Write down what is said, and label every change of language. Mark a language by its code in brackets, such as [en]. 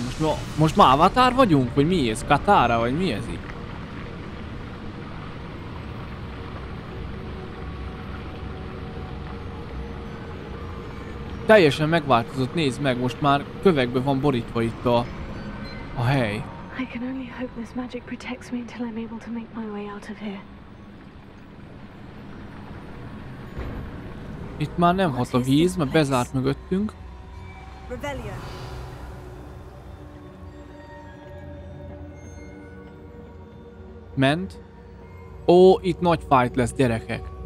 [hu] Most, most már avatar vagyunk? Vagy mi ez? Katara? Vagy mi ez itt? Teljesen megváltozott, nézd meg, most már kövekbe van borítva itt a hely. [en] I can only hope this magic protects me until I'm able to make my way out of here. [hu] Itt már nem hat a víz, mert bezárt mögöttünk. Rebellion. Ment. Ó, itt nagy fight lesz, gyerekek.